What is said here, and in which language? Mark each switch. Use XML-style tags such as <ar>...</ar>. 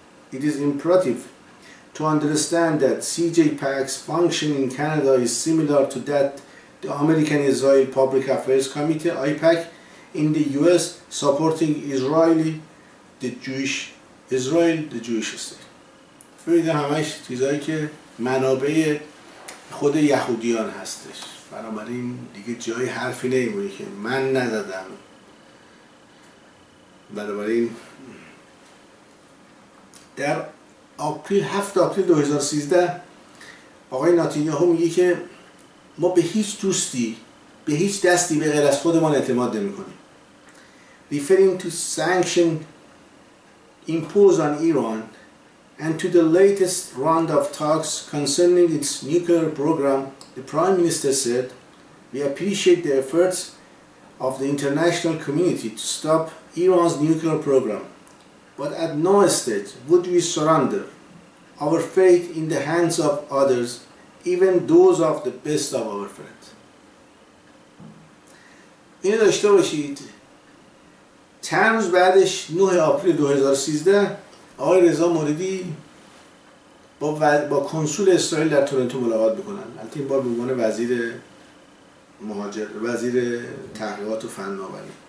<en>It is imperative to understand that CJPAC's function in Canada is similar to that the American Israel Public Affairs Committee, IPAC, in the US supporting Israel, the Jewish state.</en> <fa>فرید همش چیزایی که منابع خود یهودیان هستش. بنابراین دیگه جای حرفی نمونه که من نزدم. بنابراین در آپریل 7 آپریل 2013 آقای نتانیاهو میگه که ما به هیچ دوستی، به هیچ دستی به غیر از خودمان اعتماد نمی‌کنیم.</fa> <en>Referring to sanctions imposed on Iran and to the latest round of talks concerning its nuclear program, the Prime Minister said, "We appreciate the efforts of the international community to stop Iran's nuclear program, but at no stage would we surrender our faith in the hands of others, even those of the best of our friends."</en> <fa>اینو داشته باشید. چند روز بعدش 9 آپریل 2013 آقای رضا موردی با کنسول اسرائیل در تورنتو ملاقات میکنن. البته این بار به عنوان وزیر مهاجر، وزیر تحقیقات و فناوری.</fa>